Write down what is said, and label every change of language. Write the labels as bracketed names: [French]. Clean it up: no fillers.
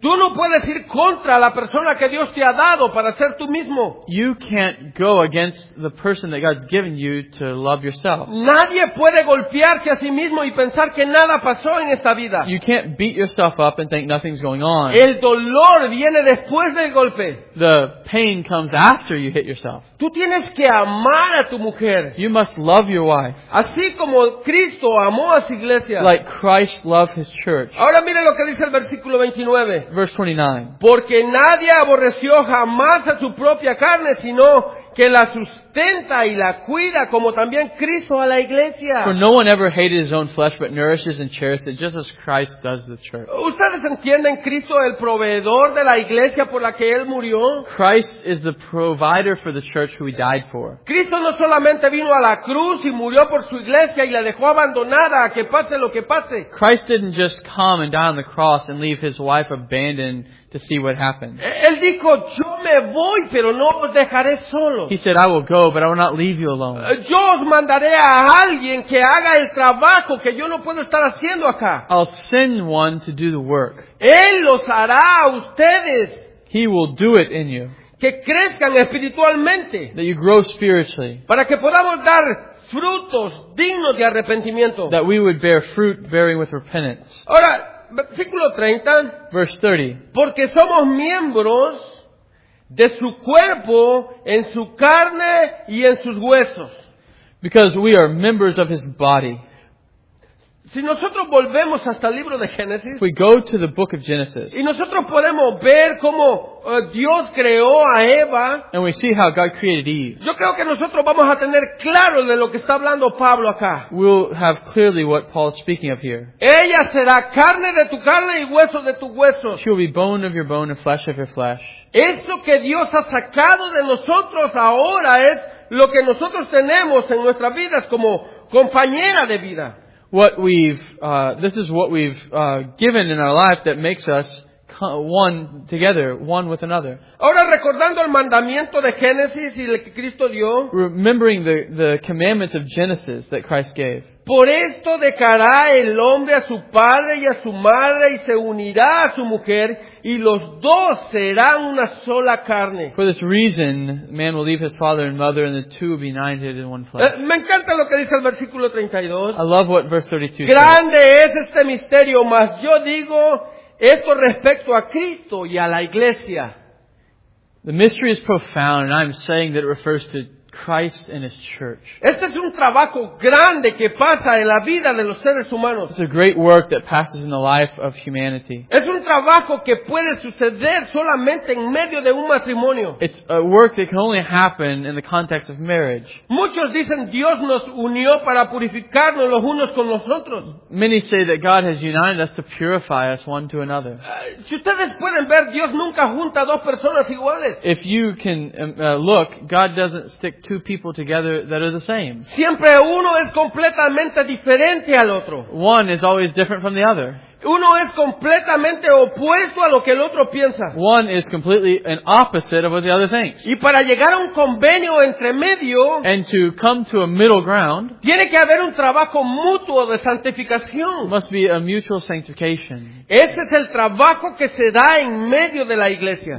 [Spanish] Tú no puedes ir contra la persona que Dios te ha dado para ser tú mismo. [English] You can't go against the person that God's given you to love yourself. [Spanish] Nadie puede golpearse a sí mismo y pensar que nada pasó en esta vida. [English] You can't beat yourself up and think nothing's going on. [Spanish] El dolor viene después del golpe. [English] The pain comes after you hit yourself. [Spanish] Tú tienes que amar a tu mujer. [English] You must love your wife. [Spanish] Así como Cristo amó a su iglesia. [English] Like Christ loved his church. [Spanish] Ahora mire lo que dice el versículo 29. [English] Verse 29. [Spanish] Porque nadie aborreció jamás a su propia carne, sino que la sustenta y la cuida, como también Cristo a la iglesia. [English] For no one ever hated his own flesh, but nourishes and cherishes it, just as Christ does the church. [Spanish] ¿Ustedes entienden Cristo el proveedor de la iglesia por la que Él murió? [English] Christ is the provider for the church who He died for. [Spanish] Cristo no solamente vino a la cruz y murió por su iglesia y la dejó abandonada, a que pase lo que pase. [English] Christ didn't just come and die on the cross and leave His wife abandoned to see what happens. [Spanish] Él dijo, yo me voy, pero no os dejaré solo. [English] He said, I will go, but I will not leave you alone. [Spanish] Yo os mandaré a alguien que haga el trabajo que yo no puedo estar haciendo acá. [English] I'll send one to do the work. [Spanish] Él los hará a ustedes. [English] He will do it in you. [Spanish] Que crezcan espiritualmente. [English] That you grow spiritually. [Spanish] Para que podamos dar frutos dignos de arrepentimiento. [English] That we would bear fruit bearing with repentance. [Spanish] Ahora, versículo 30. [English] Verse 30. [Spanish] Porque somos miembros de su cuerpo, en su carne y en sus huesos. [English] Because we are members of his body. [Spanish] Si nosotros volvemos hasta el libro de Génesis, [English] we go to the book of Genesis, [Spanish] y nosotros podemos ver cómo Dios creó a Eva, [English] and we see how God created Eve. [Spanish] Yo creo que nosotros vamos a tener claro de lo que está hablando Pablo acá. [English] We'll have clearly what Paul's speaking of here. [Spanish] Ella será carne de tu carne y hueso de tu hueso. [English] She will be bone of your bone and flesh of your flesh. [Spanish] Esto que Dios ha sacado de nosotros ahora es lo que nosotros tenemos en nuestras vidas como compañera de vida. [English] What we've this is what we've given in our life that makes us one together, one with another. [Spanish] Ahora recordando el mandamiento de Génesis y el que Cristo dio. [English] Remembering the commandment of Genesis that Christ gave. [Spanish] Por esto dejará el hombre a su padre y a su madre y se unirá a su mujer y los dos serán una sola carne. [English] For this reason, man will leave his father and mother and the two will be united in one flesh. [Spanish] Me encanta lo que dice el versículo 32. [English] I love what verse 32 says. [Spanish] Grande es este misterio, mas yo digo esto respecto a Cristo y a la iglesia. [English] The mystery is profound and I'm saying that it refers to Christ and His church. [Spanish] Este es un trabajo grande que pasa en la vida de los seres humanos. [English] It's a great work that passes in the life of humanity. [Spanish] Es un trabajo que puede suceder solamente en medio de un matrimonio. [English] It's a work that can only happen in the context of marriage. [Spanish] Muchos dicen Dios nos unió para purificarnos los unos con los otros. [English] Many say that God has united us to purify us one to another. [Spanish] Si ustedes pueden ver, Dios nunca junta dos personas iguales. [English] If you can look, God doesn't stick two people together that are the same. [Spanish] Siempre uno es completamente diferente al otro. [English] One is always different from the other. [Spanish] Uno es completamente opuesto a lo que el otro piensa. [English] One is completely an opposite of what the other thinks. [Spanish] Y para llegar a un convenio entre medio, [English] and to come to a middle ground, [Spanish] tiene que haber un trabajo mutuo de santificación. [English] Must be a mutual sanctification. [Spanish] Ese es el trabajo que se da en medio de la iglesia.